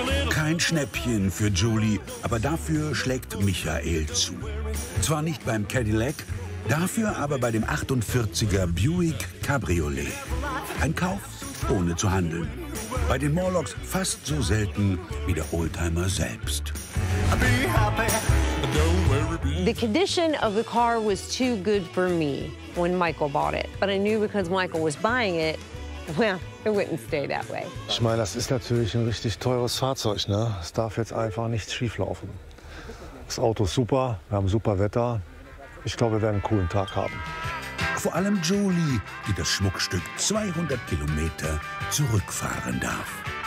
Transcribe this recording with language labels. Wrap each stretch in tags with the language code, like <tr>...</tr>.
<de>Kein Schnäppchen für Julie, aber dafür schlägt Michael zu. Zwar nicht beim Cadillac, dafür aber bei dem 48er Buick Cabriolet. Ein Kauf ohne zu handeln. Bei den Morlocks fast so selten wie der Oldtimer selbst.</de> <en>The condition of the car was too good for me when Michael bought it. But I knew because Michael was buying it, well, it wouldn't stay that way.</en> <de>Ich meine, das ist natürlich ein richtig teures Fahrzeug, ne? Es darf jetzt einfach nichts schieflaufen. Das Auto ist super, wir haben super Wetter. Ich glaube, wir werden einen coolen Tag haben. Vor allem Julie, die das Schmuckstück 200 Kilometer zurückfahren darf.</de>